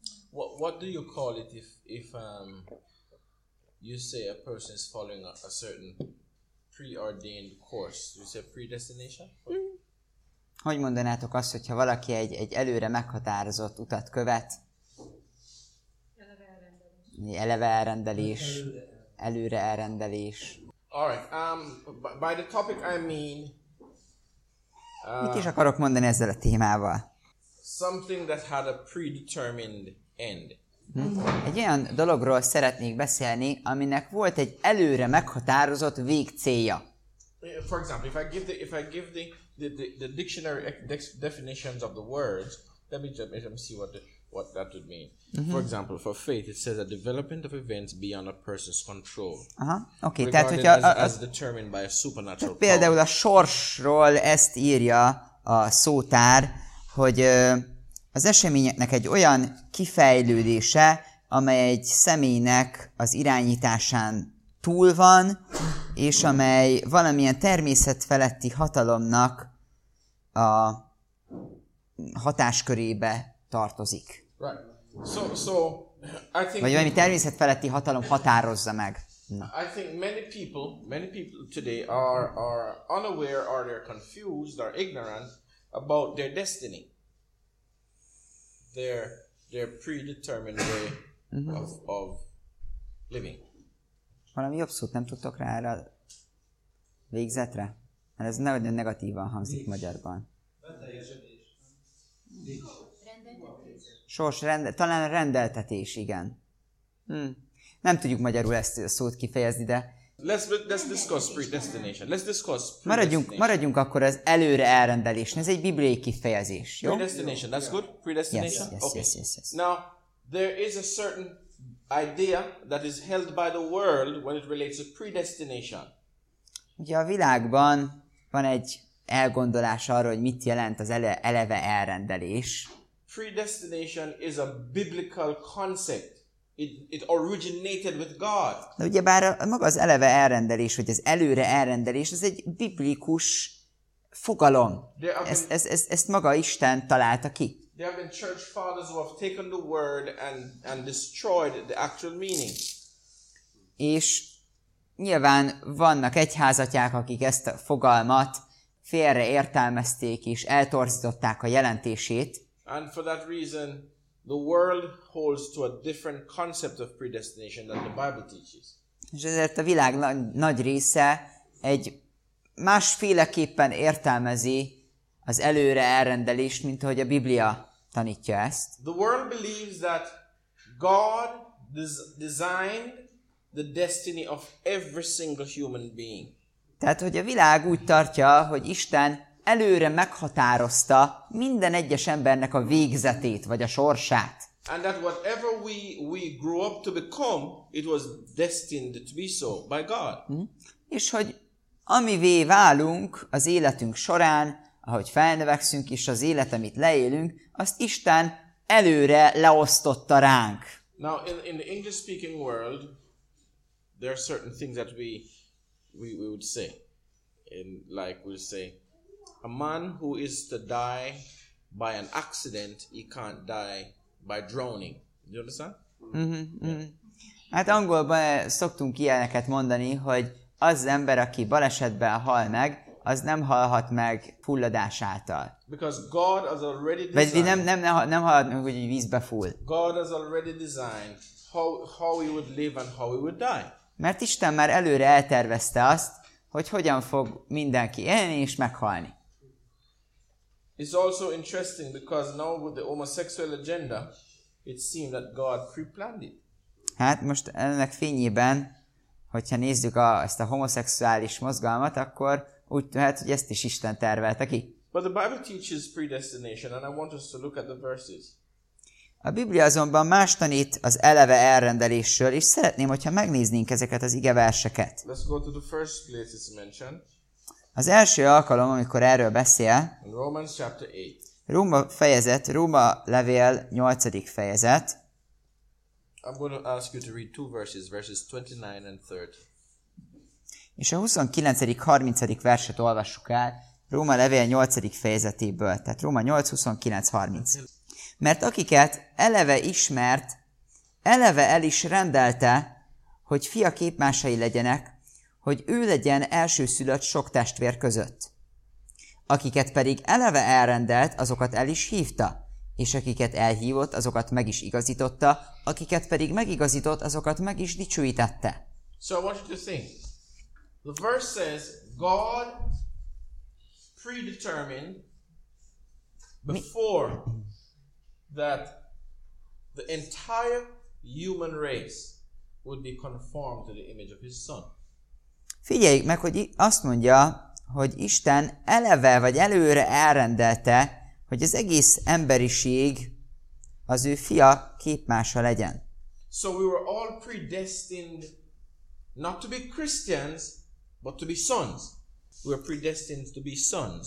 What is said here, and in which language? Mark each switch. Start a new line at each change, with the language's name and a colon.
English: What do you call it if you say a person is following a certain preordained course? You say predestination?
Hungarian: Hogy mondanátok azt, hogyha valaki egy előre meghatározott utat követ? Eleve elrendelés. Előre elrendelés.
English: All right. By the topic I mean.
Hungarian: Mit is akarok mondani ezzel a témával?
English: Something that had a predetermined end.
Hungarian: Egy olyan dologról szeretnék beszélni, aminek volt egy előre meghatározott végcélja.
English: For example, if I give the dictionary definitions of the words, let me see what that would mean. Mm-hmm. For example, for faith, it says a development of events beyond a person's control. Aha. Okay. Regarded
Hungarian: tehát, hogyha
English: as determined by a supernatural power.
Hungarian: Például a sorsról ezt írja a szótár, hogy az eseményeknek egy olyan kifejlődése, amely egy személynek az irányításán túl van, és amely valamilyen természetfeletti hatalomnak a hatáskörébe tartozik.
English: Right. So I think.
Hungarian: Vagy valami természetfeletti hatalom határozza meg. Na.
English: I think many people today are unaware or they're confused or ignorant about their destiny. Their predetermined way of living.
Hungarian: Valami jobb szót nem tudtok rá erre a végzetre? Mert ez nagyon negatívan hangzik végzet. Magyarban. Rendeltetés. Sors, talán rendeltetés, igen. Nem tudjuk magyarul ezt a szót kifejezni, de...
English: Let's discuss predestination. Let's discuss predestination.
Hungarian: Maradjunk akkor az előre elrendelésen. Ez egy bibliai kifejezés, jó?
English: Predestination, that's good? Predestination? Yes. Now, there is a certain idea that is held by the world when it relates to predestination.
Hungarian: Ugye a világban van egy elgondolás arra, hogy mit jelent az eleve elrendelés.
English: Predestination is a biblical concept. It originated with God.
Hungarian: De ugyebár maga az eleve elrendelés, vagy az előre elrendelés, ez egy biblikus fogalom. Ezt maga Isten találta ki.
English: There have been church fathers who have taken the word and destroyed the actual meaning.
Hungarian: És nyilván vannak egyházatják, akik ezt a fogalmat félre értelmezték és eltorzították a jelentését.
English: And for that reason, the world holds to a different concept of predestination than the Bible teaches.
Hungarian: És ezért a világ nagy része egy másféleképpen értelmezi az előre elrendelést, mint ahogy a Biblia tanítja ezt.
English: The world believes that God designed the destiny of every single human being.
Hungarian: Tehát, hogy a világ úgy tartja, hogy Isten előre meghatározta minden egyes embernek a végzetét, vagy a sorsát.
English: And that whatever we grew up to become, it was destined to be so by God.
Hungarian: És hogy amivé válunk az életünk során, ahogy felnövekszünk, és az élet, amit leélünk, azt Isten előre leosztotta ránk.
English: Now, in the English-speaking world, there are certain things that we would say. Like we'll say, a man who is to die by an accident, he can't die by drowning. Do you understand?
Hungarian: Hát angolban szoktunk ilyeneket mondani, hogy az ember, aki balesetben hal meg, az nem halhat meg fulladás által.
English: Because God has already designed.
Hungarian: Vagy nem halad meg, hogy vízbe fúl.
English: God has already designed how we would live and how we would die.
Hungarian: Mert Isten már előre eltervezte azt, hogy hogyan fog mindenki élni és meghalni.
English: It's also interesting because now with the homosexual agenda, it seemed that God pre-planned it.
Hungarian: Hát most ennek fényében, hogyha nézzük ezt a homoszexuális mozgalmat, akkor úgy tűnhet, hogy ezt is Isten tervelte ki.
English: But the Bible teaches predestination, and I want us to look at the verses.
Hungarian: A Biblia azonban más tanít az eleve elrendelésről, és szeretném, hogyha megnéznénk ezeket az igeverseket.
English: Let's go to the first place it's mentioned.
Hungarian: Az első alkalom, amikor erről beszél,
English: Romans chapter 8.
Hungarian: Róma fejezet, Róma levél 8. fejezet.
English: I'm going to ask you to read two verses, verses 29 and 30.
Hungarian: És a 29. 30. verset olvassuk el Róma levél 8. fejezetéből, tehát Róma 8, 29, 30. Mert akiket eleve ismert, eleve el is rendelte, hogy fia képmásai legyenek, hogy ő legyen elsőszülött sok testvér között. Akiket pedig eleve elrendelt, azokat el is hívta, és akiket elhívott, azokat meg is igazította, akiket pedig megigazított, azokat meg is dicsőítette.
English: So I want you to think. The verse says, God predetermined before that the entire human race would be conformed to the image of his son.
Hungarian: Figyelj meg, hogy azt mondja, hogy Isten eleve vagy előre elrendelte, hogy az egész emberiség az ő fia képmása legyen.
English: So we were all predestined not to be Christians, but to be sons. We were predestined to be sons.